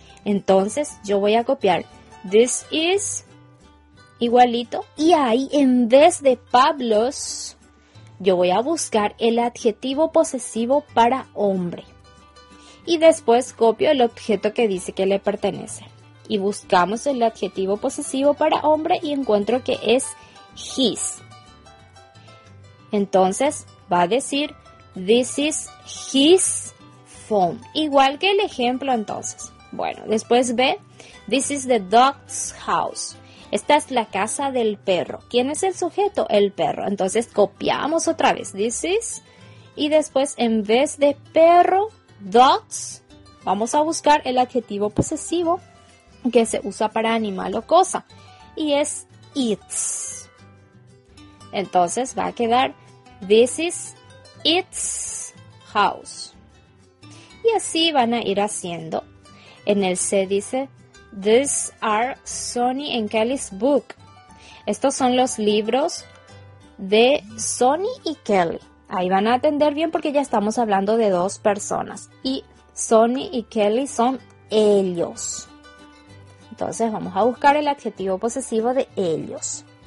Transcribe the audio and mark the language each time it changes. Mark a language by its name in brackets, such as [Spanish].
[Spanish] Entonces, yo voy a copiar [English] this is [Spanish] igualito. Y ahí, en vez de Pablo's, yo voy a buscar el adjetivo posesivo para hombre. Y después copio el objeto que dice que le pertenece. Y buscamos el adjetivo posesivo para hombre y encuentro que es his. Entonces va a decir, [English] this is his phone. [Spanish] Igual que el ejemplo entonces. Bueno, después ve, [English] this is the dog's house. [Spanish] Esta es la casa del perro. ¿Quién es el sujeto? El perro. Entonces copiamos otra vez, [English] this is. [Spanish] Y después en vez de perro, dogs, vamos a buscar el adjetivo posesivo que se usa para animal o cosa. Y es its. Entonces va a quedar, [English] this is its house. [Spanish] Y así van a ir haciendo. En el C dice, [English] these are Sonny and Kelly's book. [Spanish] Estos son los libros de Sonny y Kelly. Ahí van a atender bien porque ya estamos hablando de dos personas. Y Sonny y Kelly son ellos. Entonces vamos a buscar el adjetivo posesivo de ellos.